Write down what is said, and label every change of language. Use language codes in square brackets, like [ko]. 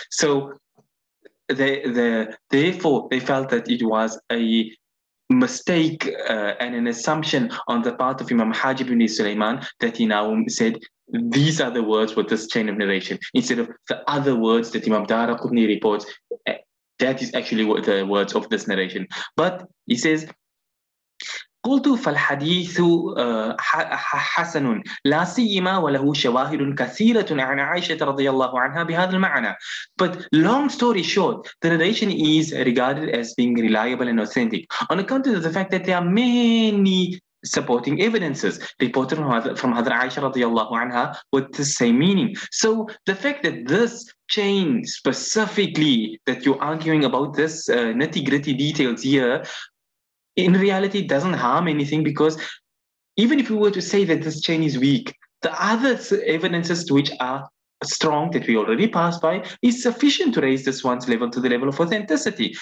[en] So therefore they felt that it was a mistake and an assumption on the part of Imam Hajib ibn Sulaiman that he now said these are the words with this chain of narration instead of the other words that Imam Darqutni reports. That is actually what the words of this narration. But he says, [ar] قُلْتُ فَالْحَدِيثُ حَسَنٌ لَا سِيِّمَا وَلَهُ شَوَاهِدٌ كَثِيرَةٌ عَنْ عَيْشَةَ رَضِيَ اللَّهُ عَنْهَا بِهَذَا الْمَعْنَى. [en] But long story short, the narration is regarded as being reliable and authentic on account of the fact that there are many supporting evidences reported from Hadhr Aisha radiallahu anha with the same meaning. So the fact that this chain specifically that you're arguing about this nitty-gritty details here in reality, it doesn't harm anything because even if we were to say that this chain is weak, the other evidences which are strong that we already passed by is sufficient to raise this one's level to the level of authenticity.